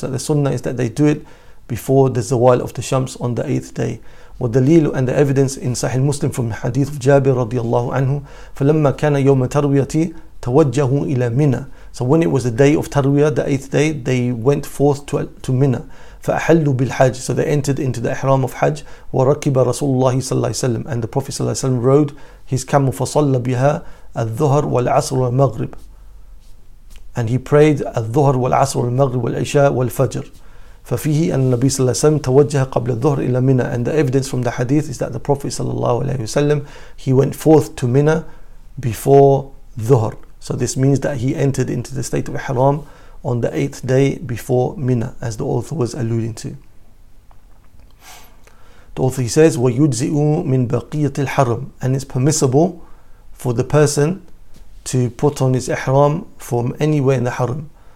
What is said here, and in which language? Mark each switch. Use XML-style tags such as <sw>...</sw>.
<en>The sunnah is that they do it before the zawal of the shams on the 8th day. Wa dalil and the evidence in Sahih Muslim from hadith of Jabir radiyallahu anhu,</en> <ar>falamma kana yawm tarwiyati tawajjahu ila Mina.</ar> <en>So when it was the day of Tarwiyah, the 8th day, they went forth to Mina.</en> <ar>فَأَحَلُّوا بِالْحَجِّ</ar> <en>So they entered into the ihram of Hajj.</en> <ar>وَرَكِبَ رَسُولُ اللَّهِ صَلَّى اللَّهِ وَسَلَّمَ</ar> <en>And the Prophet صلى الله عليه وسلم rode his camel</en> <ar>فَصَلَّ بِهَا الظُّهْرَ وَالْعَصْرَ وَالْمَغْرِبَ</ar> <en>And he prayed</en> <ar>الظُّهْرَ وَالْعَصْرَ وَالْمَغْرِبَ وَالْعِشَاءَ وَالْفَجْرَ فَفِيهِ أَنَّ النَّبِيَّ صَلَّى اللَّهُ عَلَيْهِ وَسَلَّمَ تَوَجَّهَ قَبْلَ الظُّهْرِ إِلَى مِنَى</ar> <en>And the evidence from the hadith is that the Prophet صلى الله عليه وسلم he went forth to Mina before Dhuhr. So this means that he entered into the state of ihram on the 8th day before Mina, as the author was alluding to. The author, he says,</en> <ar>وَيُجْزِئُ مِنْ بَقِيَّةِ الْحَرَمِ</ar> <en>And it's permissible for the person to put on his ihram from anywhere in the haram.</en>